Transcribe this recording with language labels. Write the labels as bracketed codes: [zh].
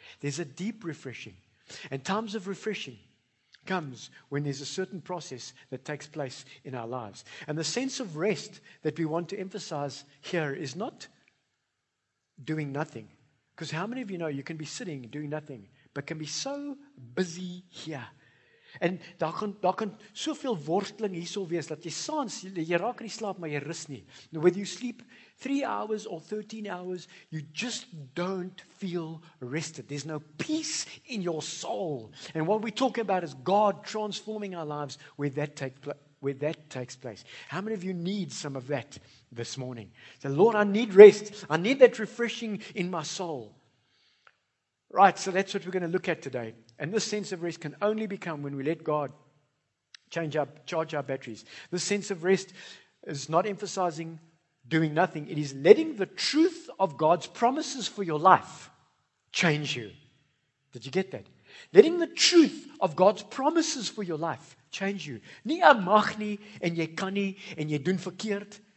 [en] There's a deep refreshing. And times of refreshing comes when there's a certain process that takes place in our lives. And the sense of rest that we want to emphasize here is not doing nothing. Because how many of you know you can be sitting doing nothing, but can be so busy here. [af] En daar kan soveel worsteling hiersou wees dat jy soms jy raak nie slaap maar jy rus nie. [en] Now, whether you sleep 3 hours or 13 hours, you just don't feel rested. There's no peace in your soul. And what we're talking about is God transforming our lives where that takes place. How many of you need some of that this morning? Say, Lord, I need rest. I need that refreshing in my soul. Right, so that's what we're going to look at today. And this sense of rest can only become when we let God charge our batteries. This sense of rest is not emphasizing doing nothing. It is letting the truth of God's promises for your life change you. Did you get that? Letting the truth of God's promises for your life change you. [af] Nie jy mag nie en jy kan nie en jy doen verkeerd.